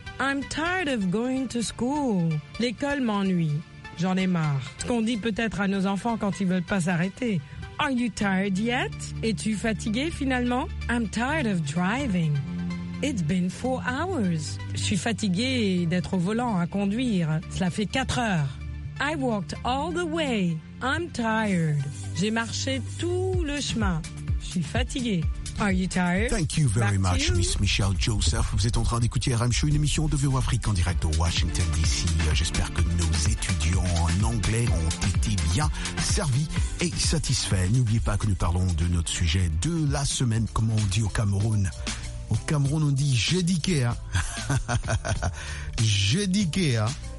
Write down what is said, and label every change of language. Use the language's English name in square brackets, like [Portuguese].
[English] I'm tired of going to school. [French] L'école m'ennuie. J'en ai marre. Ce qu'on dit peut-être à nos enfants quand ils veulent pas s'arrêter. [English] Are you tired yet? [French] Es-tu fatigué finalement? [English] I'm tired of driving. It's been 4 hours. [French] Je suis fatigué d'être au volant à conduire. Cela fait 4 heures. [English] I walked all the way. I'm tired. [French] J'ai marché tout le chemin. Je suis fatigué. [English] Are you tired? Thank you very much, Miss Michelle Joseph. [French] Vous êtes en train d'écouter RM Show, une émission de VO Afrique en direct de Washington DC. J'espère que nos étudiants en anglais ont été bien servis et satisfaits. N'oubliez pas que nous parlons de notre sujet de la semaine, comme on dit au Cameroun. Au Cameroun, on dit jédiqué, hein.